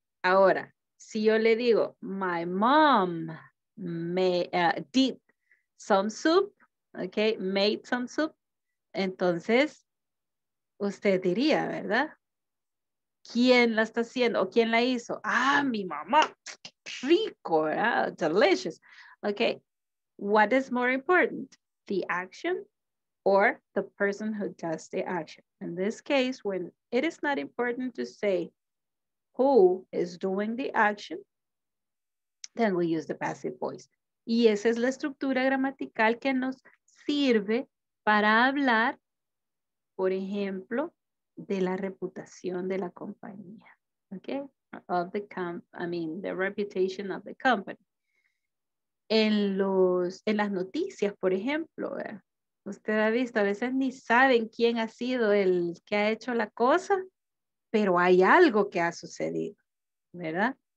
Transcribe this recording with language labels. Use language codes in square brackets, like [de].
[es] Ahora, si yo le digo, [en] my mom did some soup, okay, made some soup, [es] entonces usted diría, ¿verdad? ¿Quién la está haciendo o quién la hizo? Ah, mi mamá, rico, ¿verdad? [en] Delicious. Okay, what is more important, the action or the person who does the action? In this case, when it is not important to say, who is doing the action, then we use the passive voice. [es] Y esa es la estructura gramatical que nos sirve para hablar, por ejemplo, de la reputación de la compañía. Okay? [en] The reputation of the company. [es] En las noticias, por ejemplo, usted ha visto, a veces ni saben quién ha sido el que ha hecho la cosa, pero hay algo que ha sucedido, ¿verdad?